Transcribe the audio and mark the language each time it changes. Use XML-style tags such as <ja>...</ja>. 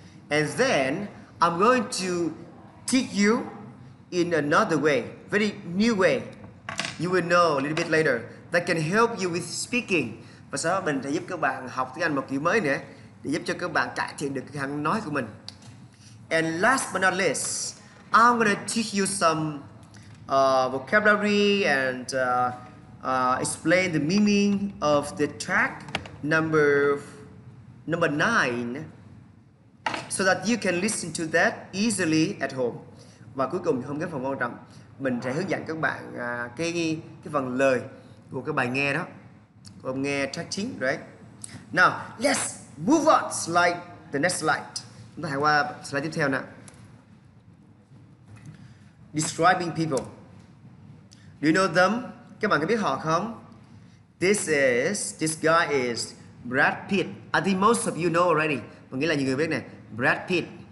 <en>And then I'm going to teach you in another way, very new way. You will know a little bit later. That can help you with speaking.</en> <vi>Và sau đó mình sẽ giúp các bạn học tiếng Anh một kiểu mới nữa, để giúp cho các bạn cải thiện được cái khả năng nói của mình.</vi> <en>And last but not least, I'm gonna teach you some vocabulary and explain the meaning of the track number 9, so that you can listen to that easily at home.</en> <vi>Và cuối cùng không kém phần quan trọng, mình sẽ hướng dẫn các bạn cái phần lời của cái bài nghe đó. Cùng nghe track 9, right?</vi> <en>Now, let's move on slide, the next slide.</en> <vi>Chúng ta hãy qua slide tiếp theo nè.</vi> <en>Describing people. Do you know them?</en> <vi>Các bạn có biết họ không?</vi> <en>This guy is Brad Pitt. I think most of you know already.</en> <vi>Có nghĩa là nhiều người biết nè, Brad Pitt.</vi>